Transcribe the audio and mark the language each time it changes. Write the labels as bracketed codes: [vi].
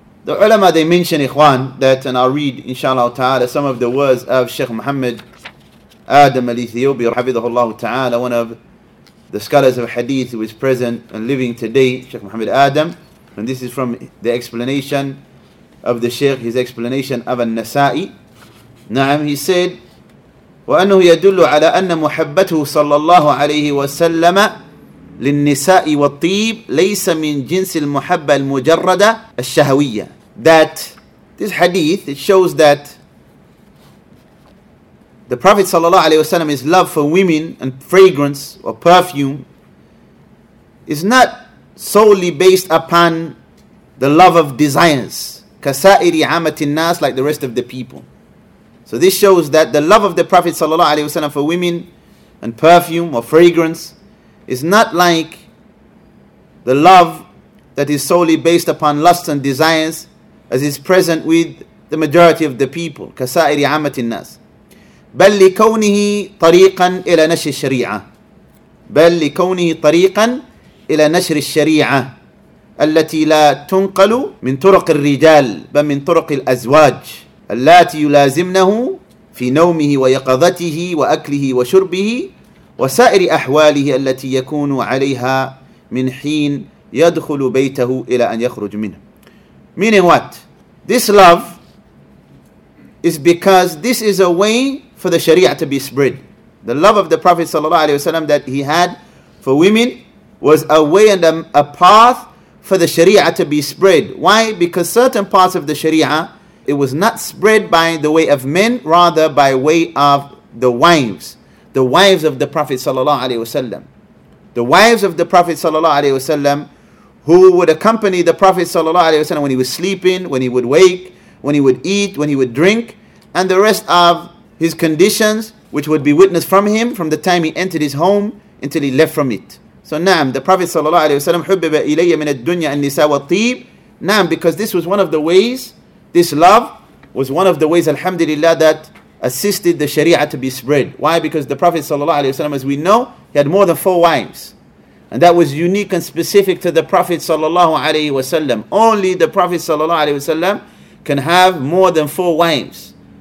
[en] The ulama, they mention, ikhwan, that, and I'll read, inshallah ta'ala, some of the words of Sheikh Muhammad Adam al-Ithiyubi, rahimahullahu ta'ala, one of the scholars of hadith who is present and living today, Sheikh Muhammad Adam. And this is from the explanation of the Sheikh, his explanation of al-Nasa'i. [ar] Na'am, [en] he said, [ar] وأنه يدل على أن محبته صلى الله عليه وسلم للنساء والطيب ليس من جنس المحبة المجردة الشهوية. [en] That this hadith, it shows that the Prophet صلى الله عليه وسلم, his love for women and fragrance or perfume is not solely based upon the love of desires [ar] كسائر عامة الناس, [en] like the rest of the people. So this shows that the love of the Prophet ﷺ for women and perfume or fragrance is not like the love that is solely based upon lust and desires, as is present with the majority of the people, [ar] كَسَائِرِ عَمَّةِ النَّاسِ بَلْ لِكَوْنِهِ طَرِيقًا إِلَى نَشْرِ الشَّرِيعَةِ بَلْ لِكَوْنِهِ طَرِيقًا إِلَى نَشْرِ الشَّرِيعَةِ الَّتِي لَا تُنْقَلُ مِنْ طُرَقِ الرِّجَالِ بَلْ مِنْ طُرَقِ الْأَزْوَاجِ الَّتِي يُلَازِمْنَهُ فِي نَوْمِهِ وَيَقَظَتِهِ وَأَكْلِهِ وَشُرْبِهِ وَسَائِرِ أَحْوَالِهِ الَّتِي يَكُونُ عَلَيْهَا مِنْ حِينَ يَدْخُلُ بَيْتَهُ إِلَى أَنْ يَخْرُجُ مِنْهُ. [en] Meaning what? This love is because this is a way for the Sharia to be spread. The love of the Prophet ﷺ that he had for women was a way and a path for the Sharia to be spread. Why? Because certain parts of the Sharia, it was not spread by the way of men, rather by way of the wives of the Prophet ﷺ. The wives of the Prophet ﷺ who would accompany the Prophet ﷺ when he was sleeping, when he would wake, when he would eat, when he would drink, and the rest of his conditions, which would be witnessed from him from the time he entered his home until he left from it. So na'am, the Prophet [ar] ﷺ, حُبِّبَ إِلَيَّ مِنَ الدُّنْيَا النِّسَاءُ وَالطِّيبُ. [en] Na'am, because this was one of the ways, this love was one of the ways, alhamdulillah, that assisted the Sharia to be spread. Why? Because the Prophet ﷺ, as we know, he had more than four wives. And that was unique and specific to the Prophet sallallahu alaihi wasallam. Only the Prophet sallallahu alaihi wasallam can have more than four wives.